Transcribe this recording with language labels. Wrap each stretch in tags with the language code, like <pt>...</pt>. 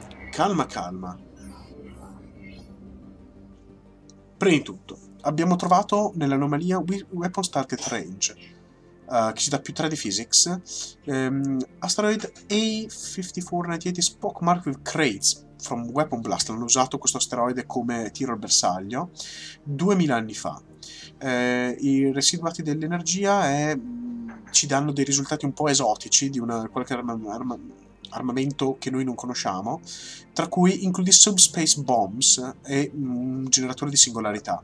<it>Calma, calma. Prima di tutto, abbiamo trovato nell'anomalia Weapons Target Range, che ci dà più 3 di physics.</it> <en>Asteroid A5498 is pockmarked with crates from Weapon Blast.</en> <it>L'hanno usato questo asteroide come tiro al bersaglio 2000 anni fa. I residuati dell'energia ci danno dei risultati un po' esotici di qualche armamento che noi non conosciamo, tra cui includi subspace bombs e un generatore di singolarità.</it>